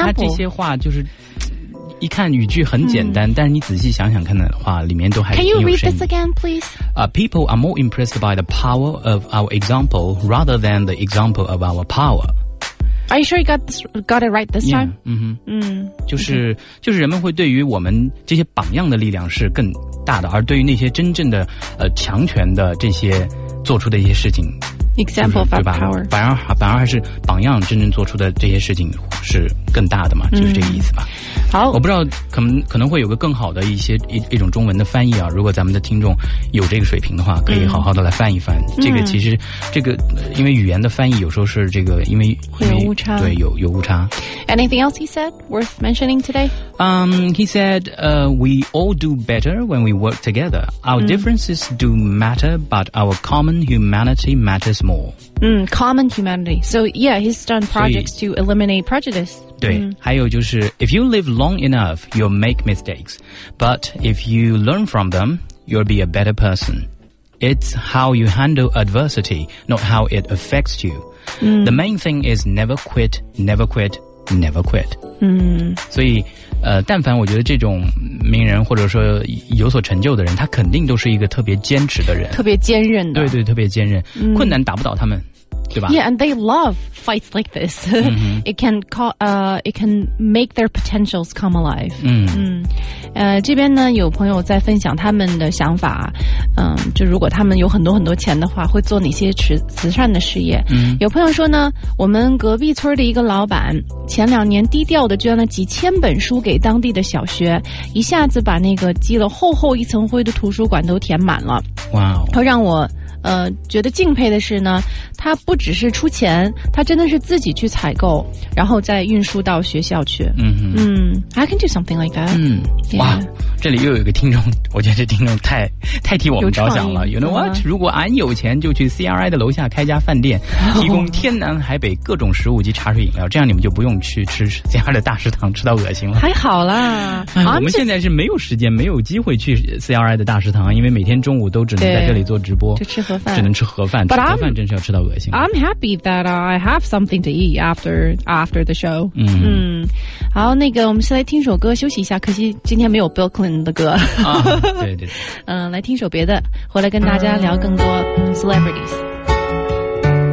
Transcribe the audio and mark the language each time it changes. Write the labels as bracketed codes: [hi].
[zh] 他这些话就是一看语句很简单、但是你仔细想想看的话里面都还挺有深意。 [en] Can you read this again, please? People are more impressed by the power of our example rather than the example of our power. Are you sure you got it right this time? [zh] Yeah, 就是人们会对于我们这些榜样的力量是更大的，而对于那些真正的强权的这些做出的一些事情 [en] example of power. [zh] 反而还是榜样真正做出的这些事情是更大的嘛、就是这个意思吧。好，我不知道可能会有个更好的一种中文的翻译啊，如果咱们的听众有这个水平的话可以好好的来翻一翻、这个其实这个因为语言的翻译有时候是这个因为有误差，对，有误差。 [en] Anything else he said worth mentioning today? He said we all do better when we work together. Our differences do matter, but our common humanity matters more. Common humanity. So yeah, he's done projects to eliminate prejudice. [zh] 对、还有就是 [en] if you live long enough, you'll make mistakes. But if you learn from them, you'll be a better person. It's how you handle adversity, not how it affects you. The main thing is never quit, never quit, never quit. [zh] 所以但凡我觉得这种名人或者说有所成就的人，他肯定都是一个特别坚持的人，特别坚韧的，对对，特别坚韧，困难打不倒他们，对吧？ [en] Yeah, and they love fights like this. It can call, it can make their potentials come alive. [zh] 这边呢有朋友在分享他们的想法，就如果他们有很多很多钱的话会做哪些慈善的事业。有朋友说呢，我们隔壁村的一个老板前两年低调的捐了几千本书给当地的小学，一下子把那个积了厚厚一层灰的图书馆都填满了。哇哦！他让我觉得敬佩的是呢，他不只是出钱，他真的是自己去采购，然后再运输到学校去。嗯 [en] ，I can do something like that。 [zh] 嗯，哇，这里又有一个听众，我觉得这听众太替我们着想了。 [en] You know what？ [zh] 如果俺有钱，就去 CRI 的楼下开家饭店，提供天南海北各种食物及茶水饮料，这样你们就不用去吃 CRI 的大食堂吃到恶心了。还好啦，我们现在是没有时间、没有机会去 CRI 的大食堂，因为每天中午都只能在这里做直播，就吃盒饭，只能吃盒饭。 [en] But、 [zh] 吃盒饭真是要吃到恶心。 [en] I'm happy that I have something to eat after the show。 [zh] 嗯，好，那个我们先来听首歌休息一下，可惜今天没有 Bill Clinton的歌、啊、对对嗯，来听首别的，回来跟大家聊更多 celebrities。